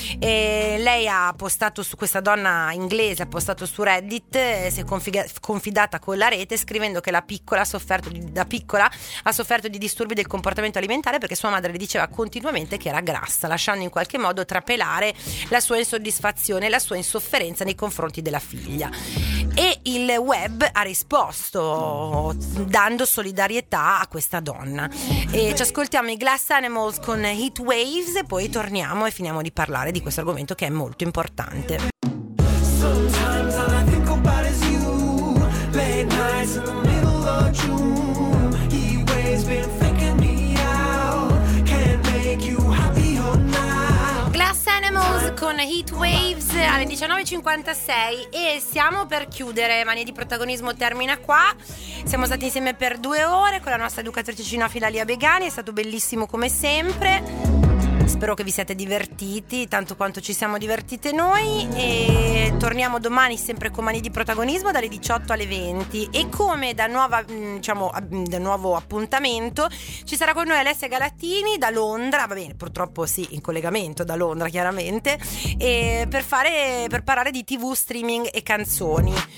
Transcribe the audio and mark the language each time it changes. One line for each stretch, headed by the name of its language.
Italian: E lei ha postato su questa donna inglese, ha postato su Reddit, si è confidata con la rete scrivendo che da piccola ha sofferto di disturbi del comportamento alimentare, perché sua madre le diceva continuamente che era grassa, lasciando in qualche modo trapelare la sua insoddisfazione e la sua insofferenza nei confronti della figlia. E il web ha risposto dando solidarietà a questa donna. E ci ascoltiamo i Glass Animals con Heat Waves, e poi torniamo e finiamo di parlare di questo argomento che è molto importante.
English: Sometimes all I think about is you, late nights in the middle of June. Heat waves been faking me out, can't make you happy or not.
Italian: Glass Animals con Heat Waves alle 19.56, e siamo per chiudere. Mania di protagonismo termina qua, siamo stati insieme per 2 ore con la nostra educatrice cinofila Lia Begani, è stato bellissimo come sempre, spero che vi siate divertiti tanto quanto ci siamo divertite noi, e torniamo domani sempre con Mani di protagonismo dalle 18 alle 20, e come da nuova, diciamo, da nuovo appuntamento ci sarà con noi Alessia Galattini da Londra, va bene, purtroppo sì, in collegamento da Londra chiaramente, e per parlare di TV, streaming e canzoni.